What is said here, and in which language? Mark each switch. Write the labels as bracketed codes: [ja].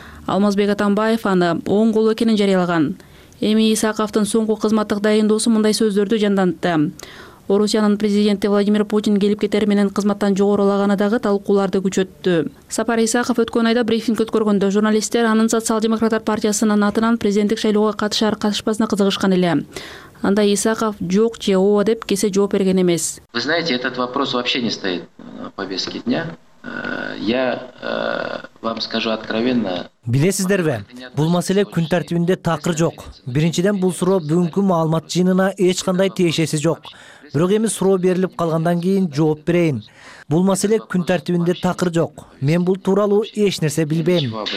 [ky] Алмазбек Атамбаев аны оң колу экенин жарыялаган. Эми Исаковдун соңку кызматтык дайындоосу мындай сөздөрдү жандантты. Орусиянын президенти Владимир Путин келип кетер менен кызматтан жогорулаганы дагы талкууларды күчөттү. Сапар Исаков өткөн айда брифинг өткөргөндө журналисттер анын Социал-демократтар партиясынын атынан президенттик шайлоого катышар катышпасына кызыгышкан эле. Анда Исаков жок же ооба деп кесе жооп берген эмес. [ru] Вы знаете, этот вопрос вообще не стоит на повестке дня. Я вам скажу откровенно. [ky] Билесиздерби? Бул маселе күн тартибинде такыр жок. Биринчиден бул суроо бүгүнкү маалымат жыйынына эч кандай тиешеси жок. Бирок эми суроо берилип калгандан кийин жооп берейин. Бул маселе күн тартибинде такыр жок. Мен бул тууралуу эч нерсе билбейм.